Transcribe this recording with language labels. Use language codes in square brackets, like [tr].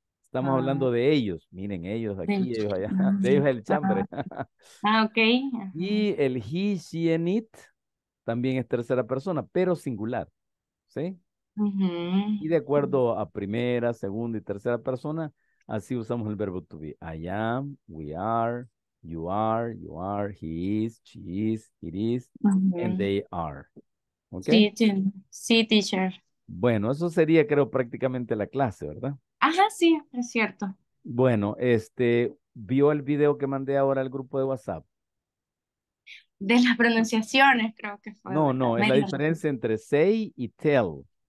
[es] Estamos hablando de ellos. Miren, ellos aquí, de ellos allá. De ellos el chambre. Ah, ok. Y el [en] he, she, and it [es] también es tercera persona, pero singular. ¿Sí? Uh-huh. Y de acuerdo a primera, segunda y tercera persona, así usamos el verbo to be. [en] I am, we are, you are, you are, he is, she is, it is, uh-huh. and they are. ¿Okay? [es] Sí, teacher. Bueno, eso sería, creo, prácticamente la clase, ¿verdad? Ajá, sí, es cierto. Bueno, ¿vio el video que mandé ahora al grupo de WhatsApp? De las pronunciaciones, creo que fue. No, no, es la diferencia entre say y tell.